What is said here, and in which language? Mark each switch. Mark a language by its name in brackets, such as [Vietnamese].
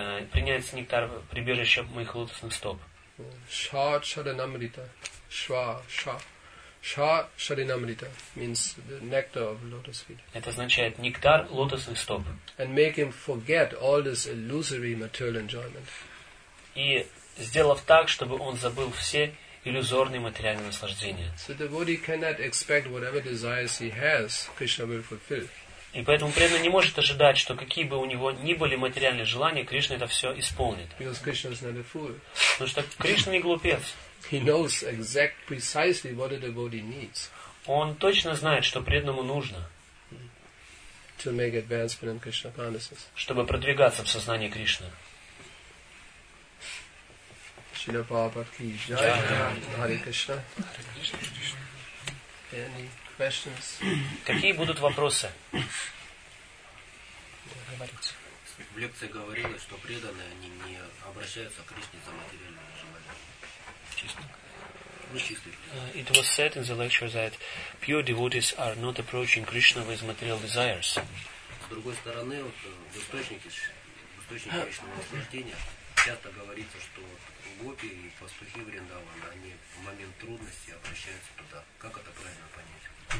[Russian] Принять нектар прибежища моих лотосных стоп. [Bangla] Ша шаринамрита. Шва, ша. Ша шаринамрита [English] means the nectar of lotus feet. [Russian] Это означает нектар лотосных стоп. [English] And make him forget all this illusory material enjoyment. [Russian] И сделав так, чтобы он забыл все иллюзорные материальные наслаждения. [English] So the body cannot expect whatever desires he has, Krishna will fulfill. [Russian] И поэтому преданный не может ожидать, что какие бы у него ни были материальные желания, Кришна это все исполнит. Потому что Кришна не глупец. [English] He knows exactly, precisely what a devotee needs. [Russian] Он точно знает, что преданному нужно. [English] To make advancement in Krishna consciousness. [Russian] Чтобы продвигаться в сознании Кришны. Шрила Прабхупада ки джай. Харе Кришна. [English] Any questions? [Russian] Какие будут вопросы? В лекции говорилось, что преданные они не обращаются к Кришне за материальными желаниями. [English] It was said in the lecture that pure devotees are not approaching Krishna with material desires. [Russian] С другой стороны, вот, в источнике Кришна наслаждения часто говорится, что гопи и пастухи Вриндавана, они в момент трудности обращаются туда. Как это правильно понять?